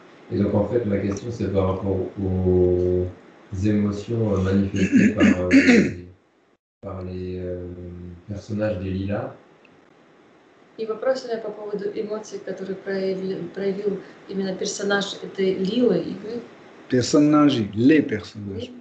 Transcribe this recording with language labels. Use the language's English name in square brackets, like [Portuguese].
[French] Et donc, en fait, ma question, c'est par rapport aux émotions manifestées par les personnages des lilas. [Russian] И вопрос у меня по поводу эмоций, которые проявил именно персонаж этой Лилы. Персонажи, [French] les personnages.